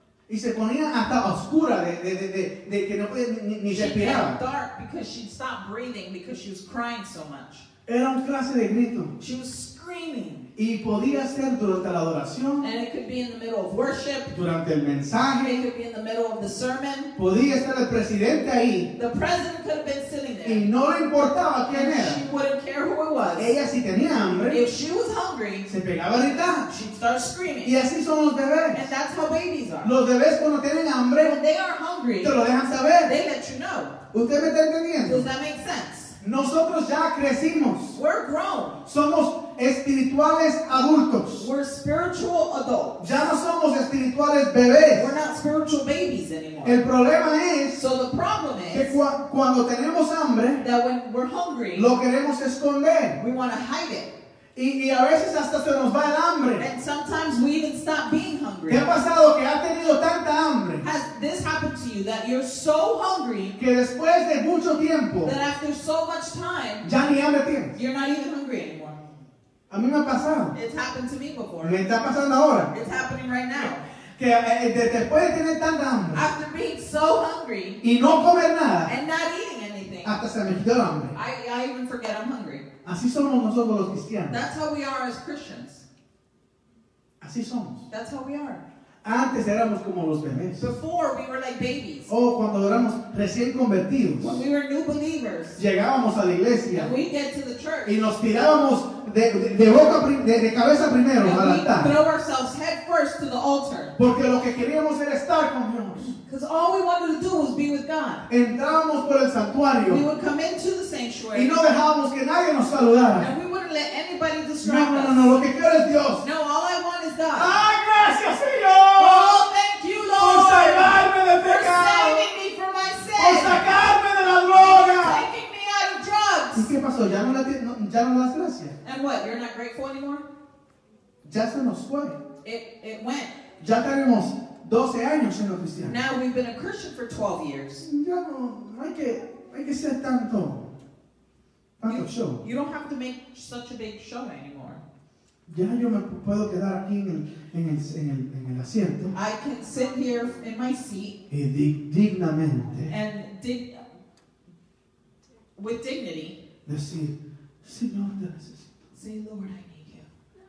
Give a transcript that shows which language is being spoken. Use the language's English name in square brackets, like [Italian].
[Spanish] Y se ponía hasta oscura de que no podía ni respirar. [English] She got dark because she stopped breathing because she was crying so much. [Spanish] Era un clase de grito. [English] She was screaming. [Spanish] Y podía ser durante la adoración. [English] And it could be in the middle of worship. [Spanish] Durante el mensaje. [English] It could be in the middle of the sermon. [Spanish] Podía estar el presidente ahí. [English] The president could have been sitting there. [Spanish] Y no le importaba quién [English] and [Spanish] era. [English] She wouldn't care who it was. [Spanish] Ella si tenía hambre. [English] If she was hungry. [Spanish] Se pegaba a gritar. [English] She'd start screaming. [Spanish] Y así son los bebés. [English] And that's how babies are. [Spanish] Los bebés cuando tienen hambre. [English] When they are hungry. [Spanish] Te lo dejan saber. [English] They let you know. [Spanish] ¿Usted me está entendiendo? [English] Does that make sense? [Spanish] Nosotros ya crecimos. [English] We're grown. [Spanish] Somos espirituales adultos. [English] We're spiritual adults. [Spanish] Ya no somos espirituales bebés. [English] We're not spiritual babies anymore. [Spanish] El problema es, [English] so the problem is, [Spanish] que cuando tenemos hambre, [English] that when we're hungry, [Spanish] lo queremos esconder. [English] We want to hide it. [Spanish] Y a veces hasta se nos va el hambre. [English] And sometimes we even stop being hungry. [Spanish] ¿Qué ha pasado? Que ha tenido tanta hambre. [English] Has this happened to you that you're so hungry? [Spanish] Que después de mucho tiempo. [English] That after so much time. [Spanish] Ya ni hambre tienes. [English] You're not even hungry anymore. [Spanish] A mí me ha pasado. [English] It's happened to me before. [Spanish] Me está pasando ahora. [English] It's happening right now. [Spanish] Que después de tener tanta hambre. [English] After being so hungry. [Spanish] Y no comer nada. [English] And not eating anything. [Spanish] Hasta se me quitó el hambre. [English] I even forget I'm hungry. [Spanish] Así somos nosotros los cristianos. [English] That's how we are as Christians. [Spanish] Así somos. [English] That's how we are. [Spanish] Antes éramos como los bebés. [English] Before we were like babies. [Spanish] O cuando éramos recién convertidos. [English] When we were new believers. [Spanish] Llegábamos a la iglesia. [English] And we'd get to the church. [Spanish] Y nos tirábamos de cabeza primero al altar. [English] We'd throw ourselves head first to the altar. [Spanish] Porque lo que queríamos era estar con Dios. [English] Because all we wanted to do was be with God. [Spanish] Entrábamos por el santuario. [English] We would come into the sanctuary. [Spanish] Y no dejábamos que nadie nos saludara. [English] And we wouldn't let anybody distract us. [Spanish] No, lo que quiero es Dios. [English] No, all I want is God. [Spanish] ¡Ay, gracias, Señor! [English] Oh, thank you, Lord. [Spanish] Por salvarme del [English] for [Spanish] pecado. [English] Saving me from my sin. [Spanish] Por sacarme de la droga. [English] Taking me out of drugs. [Spanish] ¿Y qué pasó? Ya no le das gracias. [English] And what? You're not grateful anymore? [Spanish] Ya se nos fue. [English] It went. [Spanish] Ya tenemos 12 años siendo cristianos. [English] Now we've been a Christian for 12 years. [Spanish] Ya no, hay que ser tanto show. [English] You don't have to make such a big show anymore. [Spanish] Ya yo me puedo quedar aquí en el asiento. [English] I can sit here in my seat. [Spanish] Y dignamente. [English] And with dignity. [Spanish] Decir, Señor, te necesito. [English] Say, Lord, I need you.